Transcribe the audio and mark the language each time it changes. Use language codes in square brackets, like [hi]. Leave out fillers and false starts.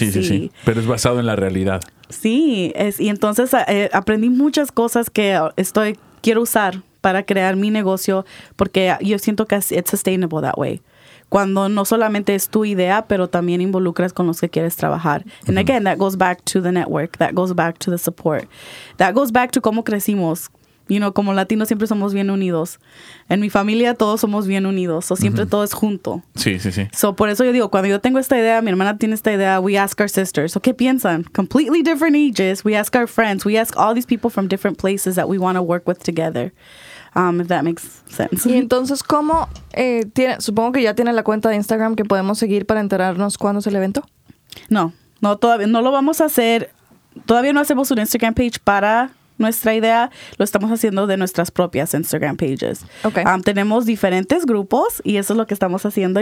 [es] Sí. Pero es basado en la realidad. Sí, es, y entonces aprendí muchas cosas que estoy quiero usar para crear mi negocio porque yo siento que [en] it's sustainable that way. [es] Cuando no solamente es tu idea, pero también involucras con los que quieres trabajar. [en] And again, that goes back to the network. That goes back to the support. That goes back to [es] cómo crecimos. [en] You know, [es] como latinos siempre somos bien unidos. En mi familia todos somos bien unidos. So, siempre todo es junto. Sí. So, por eso yo digo, cuando yo tengo esta idea, mi hermana tiene esta idea, [en] we ask our sisters. [es] So, ¿qué piensan? [en] Completely different ages. We ask our friends. We ask all these people from different places that we want to work with together. If that makes sense. [es] Y entonces, ¿cómo? Supongo que ya tiene la cuenta de Instagram que podemos seguir para enterarnos cuándo es el evento. No, todavía no lo vamos a hacer. Todavía no hacemos un Instagram page para nuestra idea. Lo estamos haciendo de nuestras propias Instagram pages. [en] Okay. [es] Tenemos diferentes grupos y eso es lo que estamos haciendo.